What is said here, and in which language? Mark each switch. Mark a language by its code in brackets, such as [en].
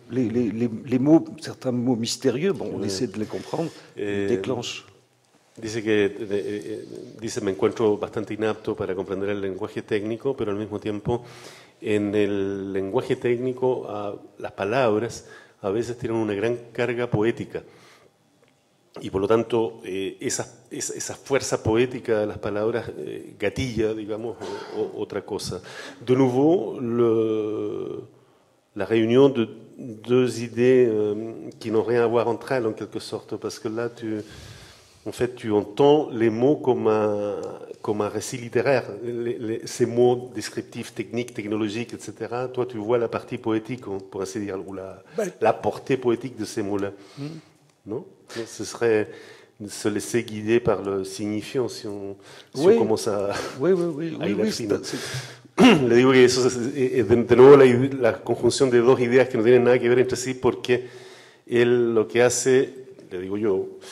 [fr] Les mots, certains mots mystérieux, bon, on essaie de les comprendre, déclenchent. [es] Dice que dice me encuentro bastante inapto para comprender el lenguaje técnico, pero al mismo tiempo en el lenguaje técnico las palabras a veces tienen una gran carga poética y por lo tanto esa fuerza poética de las palabras gatilla, digamos, otra cosa. De nuevo, la reunión de dos ideas que no tienen nada que ver entre [fr] en quelque sorte, [es] porque là tú. [fr] En fait, tu entends les mots comme un récit littéraire, ces mots descriptifs, techniques, technologiques, etc. Toi, tu vois la partie poétique, pour ainsi dire, ou la portée poétique de ces mots-là. Non ? Ce serait se laisser guider par le signifiant si on commence à. Oui, oui, oui, oui. Oui, oui, [es] le digo que eso es de nuevo la conjunción de dos ideas que no tienen nada que ver entre sí, porque él lo que hace, le digo yo.